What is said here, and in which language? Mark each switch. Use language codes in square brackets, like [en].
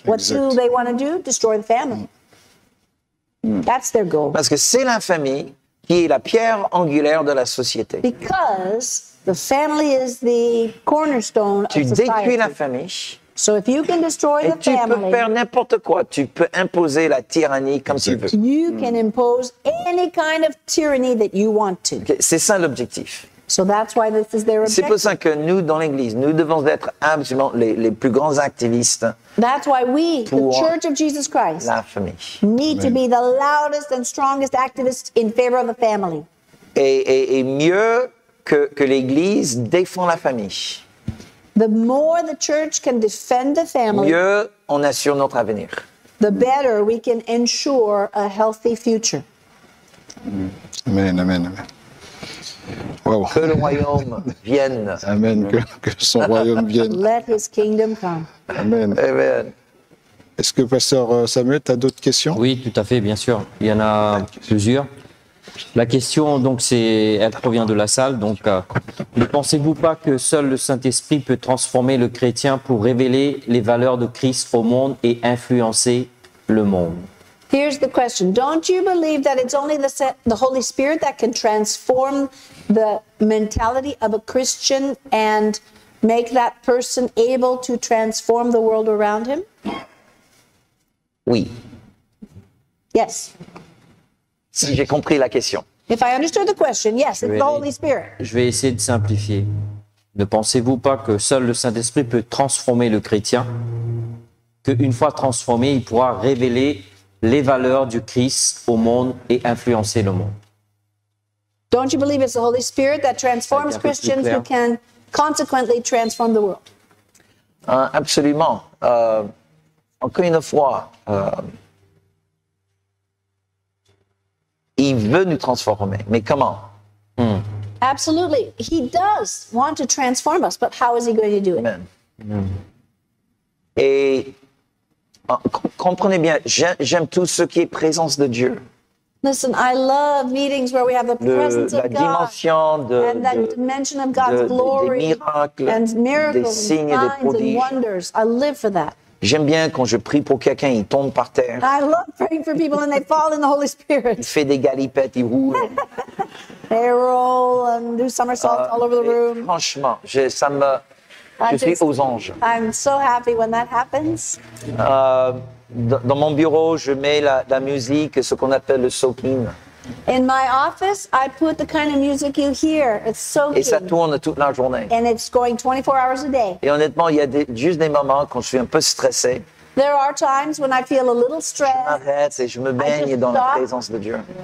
[en] What exactly. Do they want to do? Destroy the family. That's their goal. [fr] Parce que c'est la famille qui est la pierre angulaire de la société. [en] Because the family is the cornerstone [fr] tu [en] of society. [fr] Tu détruis la famille. [en] So if you can destroy the family. [fr] Et tu peux faire n'importe quoi. Tu peux imposer la tyrannie comme tu veux. [en] You can impose any kind of tyranny that you want to. [fr] C'est ça l'objectif. [en] So that's why this is their objective. [fr] C'est pour ça que nous, dans l'Église, nous devons être absolument les plus grands activistes. [en] That's why we, the Church of Jesus Christ, need to be the loudest and strongest activists in favor of the family. [fr] Et mieux que l'Église défend la famille. [en] The more the Church can defend the family, [fr] mieux on assure notre avenir. [en] The better we can ensure a healthy future. Amen, amen, amen. [fr] Wow. Que le royaume vienne. Amen. Que son royaume vienne. [en] Let his kingdom come. Amen. Amen. [fr] Est-ce que, pasteur Samuel, tu as d'autres questions? Oui, tout à fait, bien sûr. Il y en a plusieurs. La question, donc, elle provient de la salle. Donc, ne pensez-vous pas que seul le Saint-Esprit peut transformer le chrétien pour révéler les valeurs de Christ au monde et influencer le monde? [en] Here's the question. Don't you believe that it's only the Holy Spirit that can transform the mentality of a Christian and make that person able to transform the world around him? [fr] Oui. [en] Yes. [fr] Si j'ai compris la question. [en] If I understood the question, yes, it's the Holy Spirit. [fr] Je vais essayer de simplifier. Ne pensez-vous pas que seul le Saint-Esprit peut transformer le chrétien, qu'une fois transformé, il pourra révéler les valeurs du Christ au monde et influencer le monde. [en] Don't you believe it's the Holy Spirit that transforms Christians who can consequently transform the world? [fr] Absolument. Encore une fois, il veut nous transformer, mais comment? [en] Absolutely. He does want to transform us, but how is he going to do it? Amen. [fr] Et comprenez bien, j'aime tout ce qui est présence de Dieu. [en] Listen, I love meetings where we have the presence of God. [fr] La dimension de, [en] and that dimension of God's glory. [fr] Des miracles, [en] and miracles, [fr] des signes, [en] signs, [fr] des prodiges. [en] And wonders. I live for that. [fr] J'aime bien quand je prie pour quelqu'un, il tombe par terre. [en] I love praying for people and they fall in the Holy Spirit. [fr] Il fait des galipettes, il roule. [en] They roll and do somersaults all over the room. [fr] Franchement, ça me... Je suis aux anges. [en] I'm so happy when that happens. [fr] Dans mon bureau, je mets la musique, ce qu'on appelle le soaking. [en] In my office, I put the kind of music you hear. It's soaking. [fr] Et ça tourne toute la journée. [en] And it's going 24 hours a day. [fr] Et honnêtement, il y a juste des moments quand je suis un peu stressé. [en] There are times when I feel a little stressed. [fr] Je m'arrête et je me baigne dans la présence de Dieu.